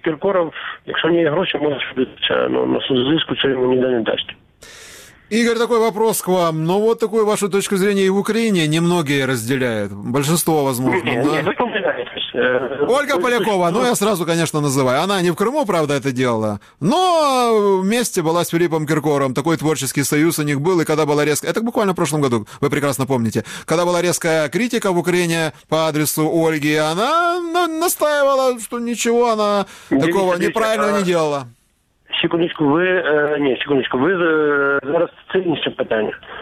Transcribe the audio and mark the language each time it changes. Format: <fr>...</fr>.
<uk>Киркоров, якщо не є гроші, може судитися, ну, на судзиску це йому ніде не дасть.</uk> <ru>Игорь, такой вопрос к вам. Ну, вот такую вашу точку зрения и в Украине немногие разделяют. Большинство, возможно. Не, да? Не, вы помогаете. Ольга Полякова, ну, я сразу, конечно, называю. Она не в Крыму, правда, это делала, но вместе была с Филиппом Киркоровым. Такой творческий союз у них был, и когда была резкая... Это буквально в прошлом году, вы прекрасно помните. Когда была резкая критика в Украине по адресу Ольги, она настаивала, что ничего она такого неправильного не делала.</ru> <uk>Секундочку, ви, ні, секундочку, ви зараз це інше питання.</uk>